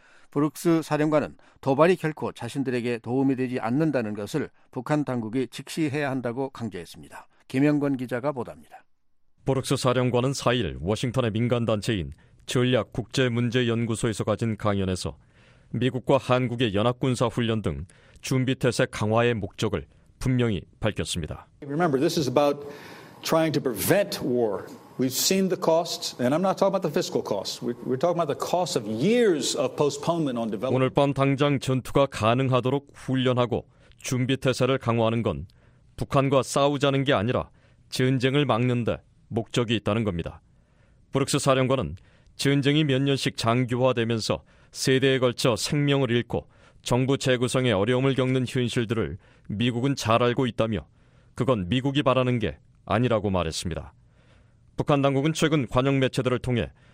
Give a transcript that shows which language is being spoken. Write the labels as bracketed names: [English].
[Korean] 브룩스 사령관은 도발이 결코 자신들에게 도움이 되지 않는다는 것을 북한 당국이 직시해야 한다고 강조했습니다. 김영권 기자가 보도합니다. 브룩스 사령관은 4일 워싱턴의 민간단체인 전략국제문제연구소에서 가진 강연에서 미국과 한국의 연합군사 훈련 등 준비태세 강화의 목적을 분명히 밝혔습니다. [English] Remember, this is about trying to prevent war. We've seen the costs, and I'm not talking about the fiscal costs. We're talking about the cost of years of postponement on development. [Korean] 오늘 밤 당장 전투가 가능하도록 훈련하고 준비태세를 강화하는 건 북한과 싸우자는 게 아니라 전쟁을 막는 데 목적이 있다는 겁니다. 브룩스 사령관은 전쟁이 몇 년씩 장기화되면서 세대에 걸쳐 생명을 잃고 정부 재구성에 어려움을 겪는 현실들을 미국은 잘 알고 있다며 그건 미국이 바라는 게 아니라고 말했습니다. 북한 당국은 최근 관영 매체들을 통해